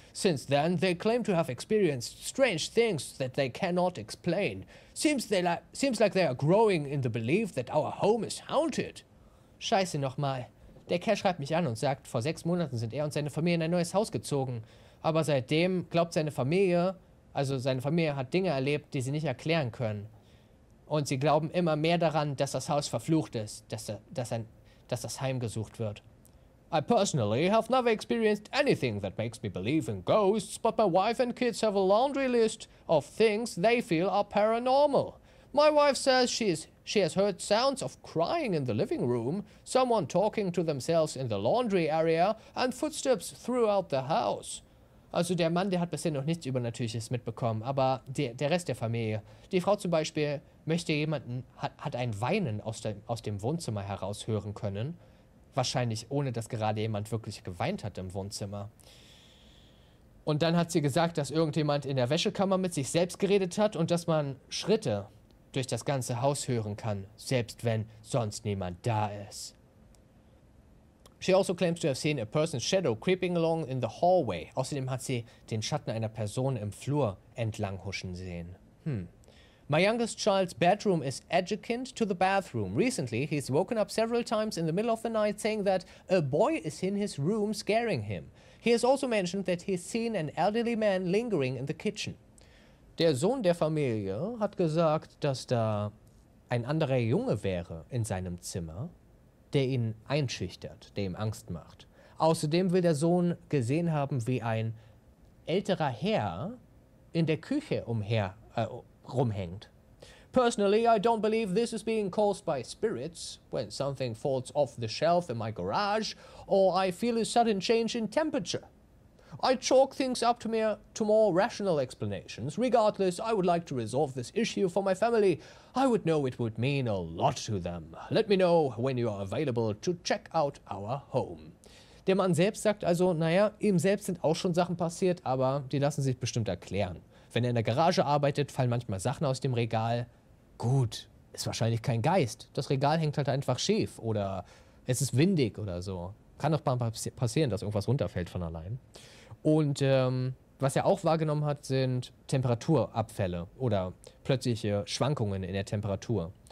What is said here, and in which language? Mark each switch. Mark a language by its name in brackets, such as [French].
[English] Since then, they claim to have experienced strange things that they cannot explain. Seems like they are growing in the belief that our home is haunted. [German] Scheiße nochmal. Der Kerl schreibt mich an und sagt, vor 6 Monaten sind er und seine Familie in ein neues Haus gezogen. Aber seitdem glaubt seine Familie... Also seine Familie hat Dinge erlebt, die sie nicht erklären können. Und sie glauben immer mehr daran, dass das Haus verflucht ist, dass das Heim gesucht wird. [English] I personally have never experienced anything that makes me believe in ghosts, but my wife and kids have a laundry list of things they feel are paranormal. My wife says she has heard sounds of crying in the living room, someone talking to themselves in the laundry area and footsteps throughout the house. [German] Also der Mann, der hat bisher noch nichts Übernatürliches mitbekommen, aber der Rest der Familie. Die Frau zum Beispiel möchte jemanden, hat ein Weinen aus dem Wohnzimmer heraus hören können. Wahrscheinlich ohne, dass gerade jemand wirklich geweint hat im Wohnzimmer. Und dann hat sie gesagt, dass irgendjemand in der Wäschekammer mit sich selbst geredet hat und dass man Schritte durch das ganze Haus hören kann, selbst wenn sonst niemand da ist. [English] She also claims to have seen a person's shadow creeping along in the hallway. [German] Außerdem hat sie den Schatten einer Person im Flur entlang huschen sehen. [English] My youngest child's bedroom is adjacent to the bathroom. Recently, he's woken up several times in the middle of the night saying that a boy is in his room scaring him. He has also mentioned that he's seen an elderly man lingering in the kitchen. [German] Der Sohn der Familie hat gesagt, dass da ein anderer Junge wäre in seinem Zimmer, der ihn einschüchtert, der ihm Angst macht. Außerdem will der Sohn gesehen haben, wie ein älterer Herr in der Küche rumhängt. [English] Personally, I don't believe this is being caused by spirits. When something falls off the shelf in my garage, or I feel a sudden change in temperature, I chalk things up to more rational explanations. Regardless, I would like to resolve this issue for my family. I would know it would mean a lot to them. Let me know when you are available to check out our home. [German] Der Mann selbst sagt also, naja, ihm selbst sind auch schon Sachen passiert, aber die lassen sich bestimmt erklären. Wenn er in der Garage arbeitet, fallen manchmal Sachen aus dem Regal. Gut, ist wahrscheinlich kein Geist. Das Regal hängt halt einfach schief oder es ist windig oder so. Kann doch mal passieren, dass irgendwas runterfällt von allein. Und was er auch wahrgenommen hat, sind Temperaturabfälle oder plötzliche Schwankungen in der Temperatur.